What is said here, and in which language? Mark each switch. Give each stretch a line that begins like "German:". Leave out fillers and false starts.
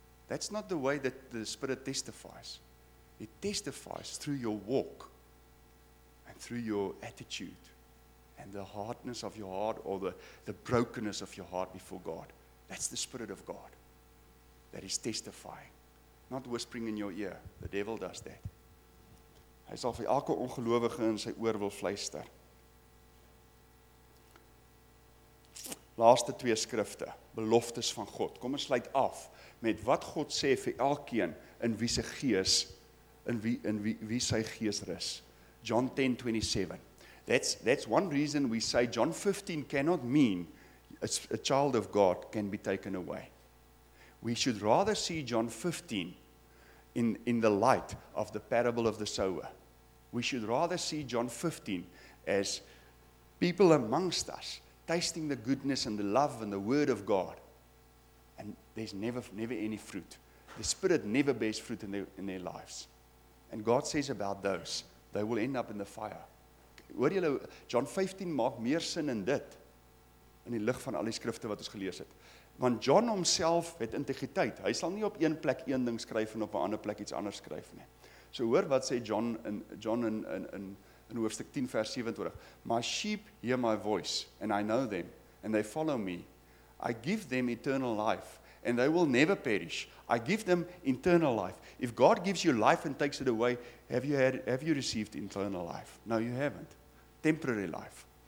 English: That's not the way that the Spirit testifies. It testifies through your walk and through your attitude and the hardness of your heart, or the brokenness of your heart before God. That's the Spirit of God that is testifying, not whispering in your ear. The devil does that.
Afrikaans: Hy sal vir elke ongelowige in sy oor wil fluister. Laaste twee skrifte, beloftes van God. Kom ons sluit af met wat God sê vir elkeen in wie sy gees, in wie sy gees rus.
English: John 10:27. That's one reason we say John 15 cannot mean a child of God can be taken away. We should rather see John 15 in the light of the parable of the sower. We should rather see John 15 as people amongst us tasting the goodness and the love and the word of God, and there's never any fruit. The Spirit never bears fruit in their lives. And God says about those, they will end up in the fire.
Afrikaans: Hoor julle, John 15 maak meer sin in dit, in die lig van al die skrifte wat ons gelees het. Want John homself het integriteit. Hy sal nie op een plek een ding skryf en op 'n ander plek iets anders skryf nie. So hoor wat sê John in hoofstuk 10 vers 27.
English: My sheep hear my voice, and I know them, and they follow me. I give them eternal life, and they will never perish. I give them eternal life. If God gives you life and takes it away, have you received eternal life? No, you haven't. Temporary life.